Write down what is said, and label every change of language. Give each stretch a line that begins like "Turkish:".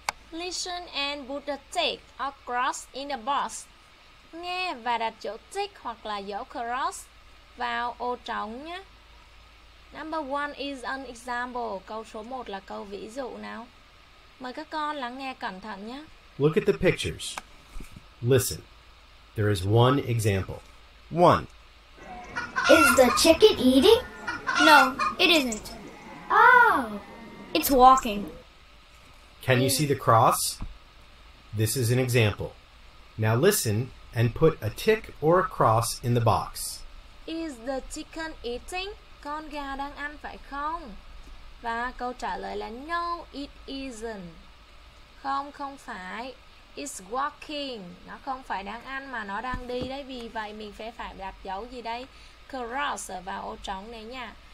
English: Listen and put the tick or cross in the box.
Vietnamese: Nghe và đặt chỗ tick hoặc là dấu cross vào ô trống nhé.
English: Number one is an example.
Vietnamese: Câu số 1 là câu ví dụ nào. Mời các con lắng nghe cẩn thận nhé.
English: Look at the pictures. Listen. There is one example. One. Is the chicken eating? No, it isn't. Oh. It's walking. Can you see the cross? This is an example. Now listen and put a tick or a cross in the box. Is the chicken eating?
Vietnamese: Con gà đang ăn phải không? Và câu trả lời là
English: no, it isn't.
Vietnamese: Không, không phải.
English: It's walking.
Vietnamese: Nó không phải đang ăn mà nó đang đi đấy. Vì vậy mình phải đặt dấu gì đây? Cross vào ô trống này nha.